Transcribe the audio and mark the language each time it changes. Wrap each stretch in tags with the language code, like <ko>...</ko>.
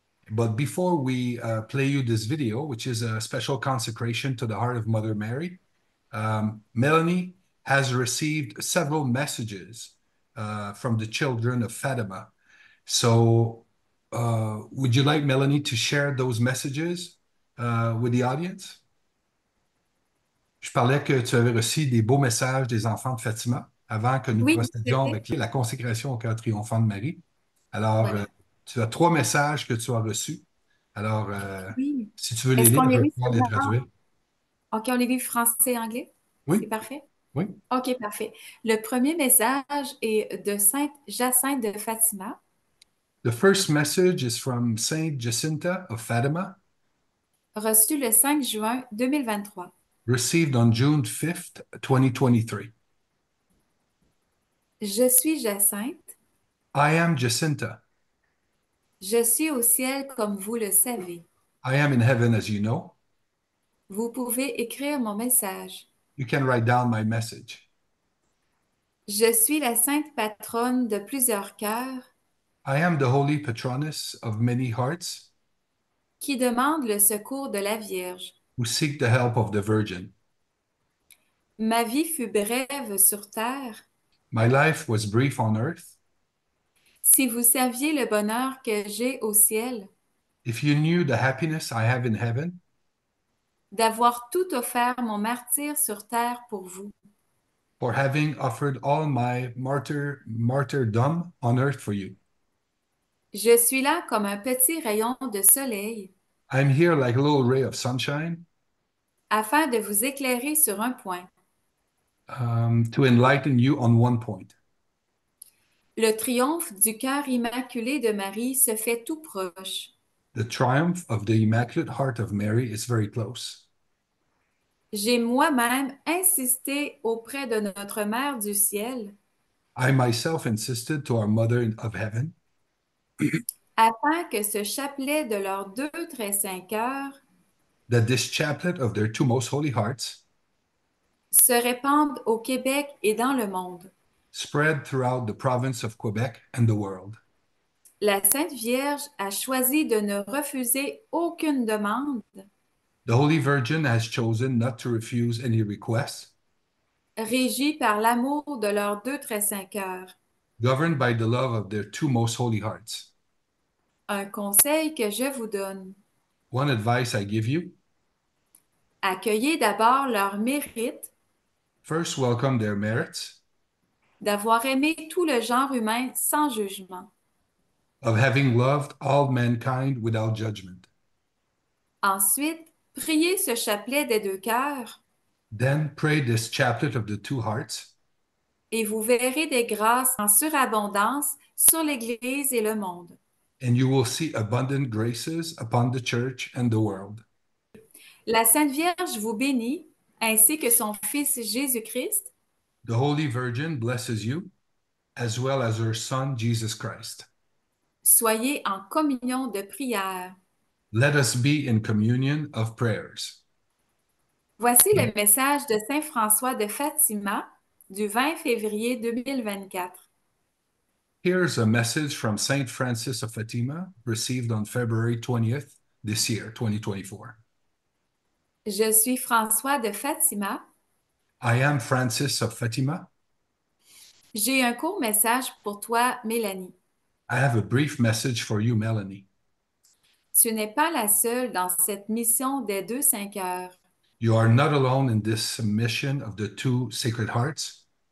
<en>But before we play you this video, which is a special consecration to the heart of Mother Mary, Melanie has received several messages from the children of Fatima. So would you like Melanie to share those messages with the audience?</en> <fr>Je parlais que tu avais reçu des beaux messages des enfants de Fatima avant que nous oui, procédions avec la consécration au cœur triomphant de Marie. Alors, voilà. Tu as trois messages que tu as reçus. Alors, oui. Si tu veux les lire, les je vais pouvoir les traduire. OK, on les lit français et anglais? Oui. C'est parfait? Oui. OK, parfait. Le premier message est de Sainte Jacinthe de Fatima.</fr> <en>The first message is from Saint Jacinta of Fatima.</en> <fr>Reçu le 5 juin 2023.</fr> <en>Received on June 5th, 2023.</en> <fr>Je suis Jacinthe.</fr> <en>I am Jacinta.</en> <fr>Je suis au ciel comme vous le savez.</fr> <en>I am in heaven as you know.</en> <fr>Vous pouvez écrire mon message.</fr> <en>You can write down my message.</en> <fr>Je suis la sainte patronne de plusieurs cœurs.</fr> <en>I am the holy patroness of many hearts.</en> <fr>Qui demande le secours de la Vierge.</fr> <en>Who seek the help of the Virgin.</en> <fr>Ma vie fut brève sur terre.</fr> <en>My life was brief on earth.</en> <fr>Si vous saviez le bonheur que j'ai au ciel,</fr> <en>if you knew the happiness I have in heaven,</en> <fr>d'avoir tout offert mon martyre sur terre pour vous,</fr> <en>for having offered all my martyrdom on earth for you.</en> <fr>Je suis là comme un petit rayon de soleil.</fr> <en>I'm here like a little ray of sunshine.</en> <fr>Afin de vous éclairer sur un point.</fr> <en>To enlighten you on one point.</en> <fr>Le triomphe du cœur immaculé de Marie se fait tout proche.</fr> <en>The triumph of the Immaculate Heart of Mary is very close.</en> <fr>J'ai moi-même insisté auprès de notre Mère du Ciel.</fr> <en>I myself insisted to our Mother of Heaven.</en> <fr>Afin que ce chapelet de leurs deux très saints cœurs</fr> <en>that this chaplet of their two most holy hearts</en> <fr>se répande au Québec et dans le monde.</fr> <en>Spread throughout the province of Quebec and the world.</en> <fr>La Sainte Vierge a choisi de ne refuser aucune demande.</fr> <en>The Holy Virgin has chosen not to refuse any requests.</en> <fr>Régie par l'amour de leurs deux très saints cœurs.</fr> <en>Governed by the love of their two most holy hearts.</en> <fr>Un conseil que je vous donne.</fr> <en>One advice I give you.</en> <fr>Accueillez d'abord leur mérite.</fr> <en>First, welcome their merits.</en> <fr>D'avoir aimé tout le genre humain sans jugement.</fr> <en>Of having loved all mankind without judgment.</en> <fr>Ensuite, priez ce chapelet des deux cœurs.</fr> <en>Then, pray this chaplet of the two hearts.</en> <fr>Et vous verrez des grâces en surabondance sur l'Église et le monde.</fr> <en>And you will see abundant graces upon the church and the world.</en> <fr>La Sainte Vierge vous bénit, ainsi que son Fils Jésus-Christ.</fr> <en>The Holy Virgin blesses you, as well as her Son, Jesus Christ.</en> <fr>Soyez en communion de prière.</fr> <en>Let us be in communion of prayers.</en> <fr>Voici le message de Saint François de Fatima, du 20 février 2024.</fr> <en>Here's a message from Saint Francis of Fatima, received on February 20th this year, 2024.</en> <fr>Je suis François de Fatima.</fr> <en>I am Francis of Fatima.</en> <fr>J'ai un court message pour toi, Mélanie.</fr> <en>I have a brief message for you, Melanie.</en> <fr>Tu n'es pas la seule dans cette mission des deux cinq heures.</fr> <en>You are not alone in this mission of the two sacred hearts.</en>